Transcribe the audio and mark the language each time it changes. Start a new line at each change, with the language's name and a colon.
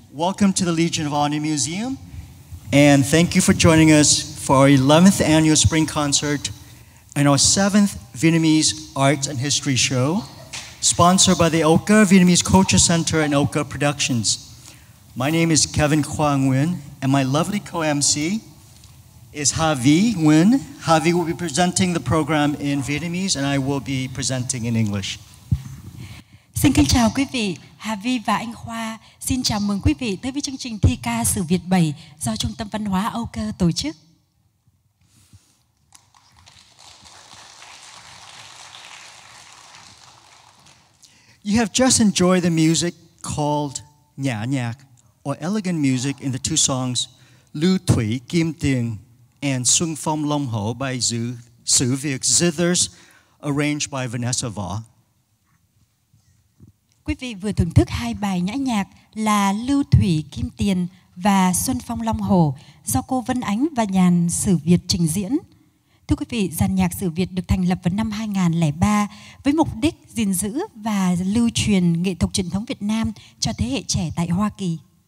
English: Welcome to the Legion of Honor Museum, and thank you for joining us for our 11th annual spring concert and our 7th Vietnamese Arts and History Show, sponsored by the Oka Vietnamese Culture Center and Oka Productions. My name is Kevin Quang Nguyen, and my lovely co-MC is Ha Vi Nguyen. Ha Vi will be presenting the program in Vietnamese, and I will be presenting in English.
Vietnamese: Xin kính chào quý vị. Hà Vi và anh Khoa xin chào mừng quý vị tới với chương trình thi ca sử Việt 7 do Trung tâm Văn hóa Âu Cơ tổ chức.
English: You have just enjoyed the music called Nhã Nhạc, or elegant music in the two songs Lưu Thủy Kim Tiền and Xuân Phong Long Hổ by Sử Việt Zithers, arranged by Vanessa Vaugh.
Vietnamese: Quý vị vừa thưởng thức hai bài nhã nhạc là Lưu Thủy Kim Tiền và Xuân Phong Long Hổ do cô Vân Ánh và dàn Sử Việt trình diễn. Thưa quý vị, dàn nhạc Sử Việt được thành lập vào năm 2003 với mục đích gìn giữ và lưu truyền nghệ thuật truyền thống Việt Nam cho thế hệ trẻ tại Hoa Kỳ.